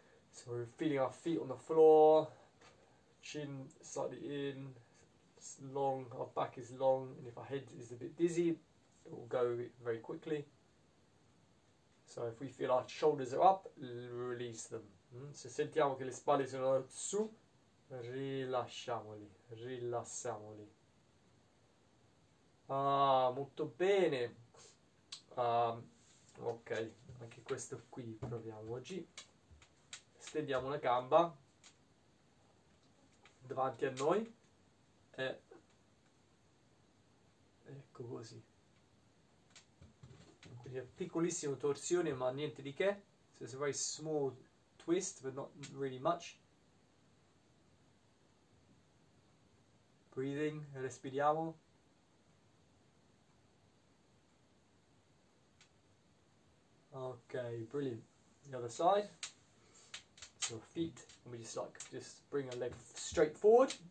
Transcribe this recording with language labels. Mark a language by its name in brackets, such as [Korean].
[English] So we're feeling our feet on the floor. Chin slightly in. Long, our back is long, and if our head is a bit dizzy, it will go very quickly. So if we feel our shoulders are up, release them. [Italian] Se sentiamo che le spalle sono su, rilasciamoli, rilassiamoli. Ah, molto bene. Ok, anche questo qui proviamo oggi. Stendiamo una gamba davanti a noi e ecco così. Quindi una piccolissima torsione, ma niente di che. [English] So it's a very small twist, but not really much. Breathing, [Italian] respiriamo. [English] Ok, brilliant. The other side. So feet, and we just bring a leg straight forward.